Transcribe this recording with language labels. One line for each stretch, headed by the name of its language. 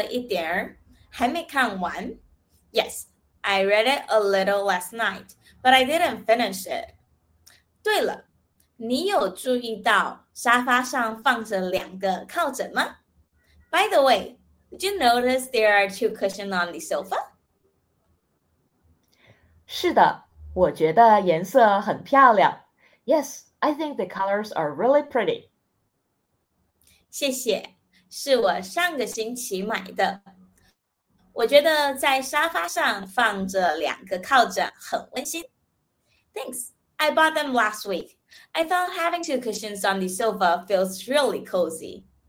Chinese: 对呀,我昨天晚上看了一点,还没看完.
English: Yes, I read it a little last night, but I didn't finish it.
Chinese: 对了,你有注意到沙发上放着两个靠枕吗?
English: By the way, did you notice there are two cushions on the sofa?
Chinese: 是的,我觉得颜色很漂亮.
English: Yes, I think the colors are really pretty.
Chinese: 谢谢,是我上个星期买的。我觉得在沙发上放着两个靠枕很温馨.
English: Thanks, I bought them last week. I thought having two cushions on the sofa feels really cozy.